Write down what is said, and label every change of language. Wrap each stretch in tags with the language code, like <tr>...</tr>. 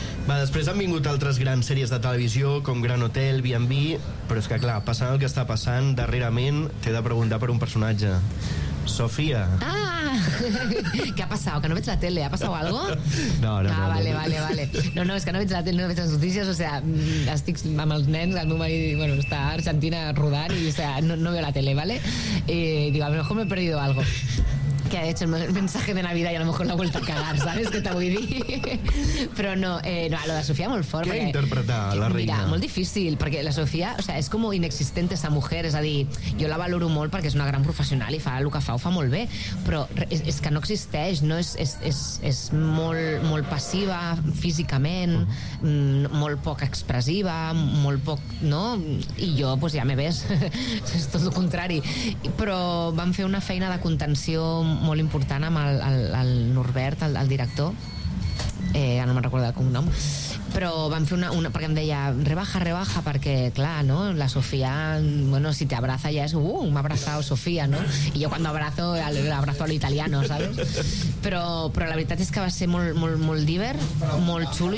<ca>Va, després han vingut altres grans sèries de televisió, com Gran Hotel, B&B, però és que, clar, passant el que està passant, darrerament t'he de preguntar per un personatge. Sofia. Ah! Què ha passat? Que no veig la tele. Ha passat alguna cosa? No. Ah, vale. No, és que no veig la tele, no veig les notícies. O sea, estic amb els nens, el meu marit, bueno, està a Argentina rodant i,</ca> <es>o sea, no veo la tele, ¿vale? Y digo, a lo mejor me he perdido algo. Que ha hecho el mensaje de Navidad y a lo mejor la ha vuelto a cagar, ¿sabes? Que te voy a decir. Pero no, lo de Sofía</es> <ca>molt fort.</ca> <es>¿Qué</es> <ca>ha interpretat la reina? Mira, molt difícil, perquè la Sofía, o sea, és com</ca> <es>inexistente esa mujer,</es> <ca>és a dir, jo la valoro molt perquè és una gran professional i fa el que fa, ho fa molt bé, però és que no existeix, no? És molt, molt passiva físicament, molt poc expressiva, molt poc, no? I jo, pues ja</ca> <es>me ves,</es> <ca>és tot el contrari. Però vam fer una feina de contenció molt important amb el Norbert, el director, ja no me'n recordo el cognom, però vam fer una perquè em deia rebaja, perquè, clar, no?</ca> <es>La Sofía, bueno, si te abraza ya es</es> <ca>m'ha</ca> <es>abrazado Sofía, no?</es> <ca>I jo quan abrazo, l'abrazo a l'italiano, ¿sabes? Però la veritat és que va ser molt diver, molt xulo.</ca>